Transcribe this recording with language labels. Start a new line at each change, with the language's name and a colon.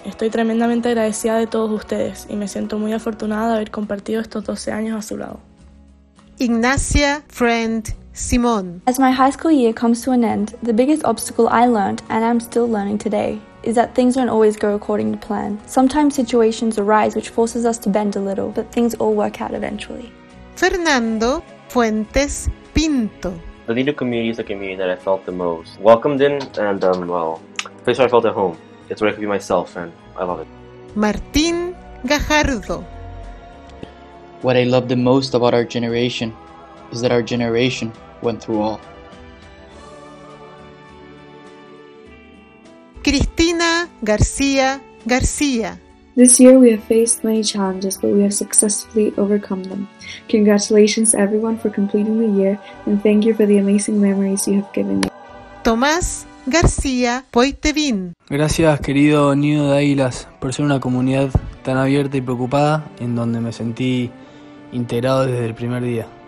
Spanish: Estoy tremendamente agradecida de todos ustedes y me siento muy afortunada de haber compartido estos 12 años a su lado. Ignacia Friend Simón.
English: As my high school year comes to an end, the biggest obstacle I learned and I'm still learning today is that things don't always go according to plan. Sometimes situations arise which forces us to bend a little, but things all work out eventually.
Spanish: Fernando Fuentes Pinto.
English: The Nido community is the community that I felt the most welcomed in and, place where I felt at home. It's where I could be myself, and I love it.
Spanish: Martin Gajardo.
English: What I love the most about our generation is that our generation went through all.
Spanish: Cristina García García.
English: This year we have faced many challenges, but we have successfully overcome them. Congratulations to everyone for completing the year, and thank you for the amazing memories you have given me.
Spanish: Tomás García Poitevin. Gracias, querido Nido de Aguilas, por ser una comunidad tan abierta y preocupada, en donde me sentí integrado desde el primer día.